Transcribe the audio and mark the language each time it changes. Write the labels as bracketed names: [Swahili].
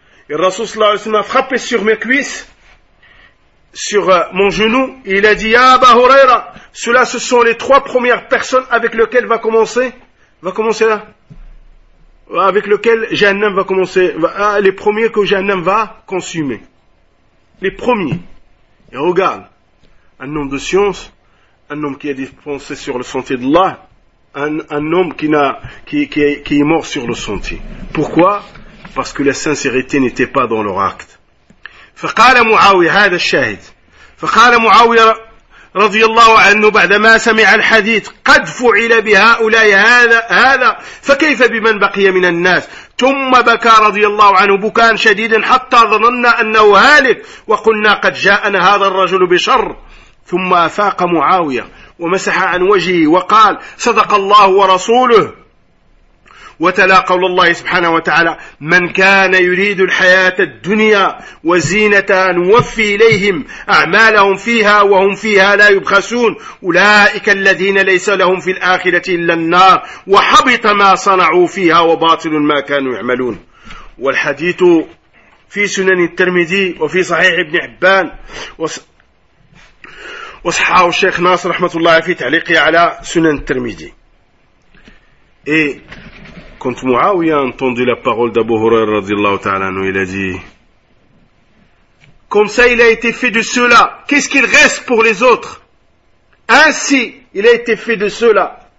[French] Et le Rasoul sallallahu alayhi wa sallam a frappé sur mes cuisses, sur mon genou, et il a dit, Ya Aba Huraira, ceux-là, ce sont les trois premières personnes avec lesquelles va commencer là, avec lesquelles Jahannam va commencer, les premiers que Jahannam va consumer. Les premiers. Et regarde, un homme de science, un homme qui a dépensé sur le sentier d'Allah, un homme qui est mort sur le sentier. Pourquoi? Parce que la sincérité n'était pas dans leur acte. [Arabic] فقال معاوية هذا الشاهد. فقال معاوية رضي الله عنه بعدما سمع الحديث قد فعل بهؤلاء هذا فكيف بمن بقي من الناس؟ ثم بكى رضي الله عنه بكاء شديدا حتى ظننا أنه هالك وقلنا قد جاءنا هذا الرجل بشر. ثم أفاق معاوية ومسح عن وجهه وقال صدق الله ورسوله. وتلا قول الله سبحانه وتعالى من كان يريد الحياة الدنيا وزينتها نوفي إليهم أعمالهم فيها وهم فيها لا يبخسون أولئك الذين ليس لهم في الآخرة إلا النار وحبط ما صنعوا فيها وباطل ما كانوا يعملون. والحديث في سنن الترمذي وفي صحيح ابن حبان وصححه الشيخ ناصر رحمة الله في تعليقه على سنن الترمذي. [French] Quand Muawiya a entendu la parole d'Abu Hurayra radiallahu ta'ala, il a dit, comme ça il a été fait de cela, qu'est-ce qu'il reste pour les autres? Ainsi, il a été fait de cela.